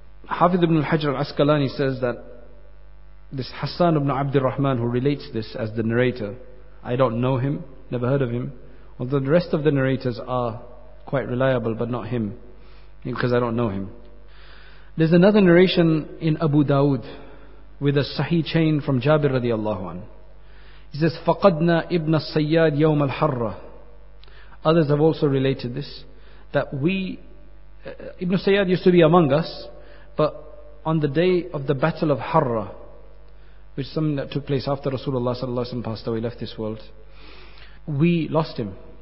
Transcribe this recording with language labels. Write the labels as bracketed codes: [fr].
[en] Hafidh ibn al-Hajr al-Asqalani says that this Hassan ibn Abdul Rahman, who relates this as the narrator, I don't know him, never heard of him, although the rest of the narrators are quite reliable, but not him, because I don't know him. There's another narration in Abu Dawud with a sahih chain from Jabir radiallahu anhu. He says, [ar] فَقَدْنَا إِبْنَ السَّيَّادِ يَوْمَ الْحَرَّةِ. [en] Others have also related this, that we, Ibn Sayyad used to be among us, but on the day of the battle of Harra, which is something that took place after Rasulullah sallallahu alaihi wasallam passed away, left this world, we lost him.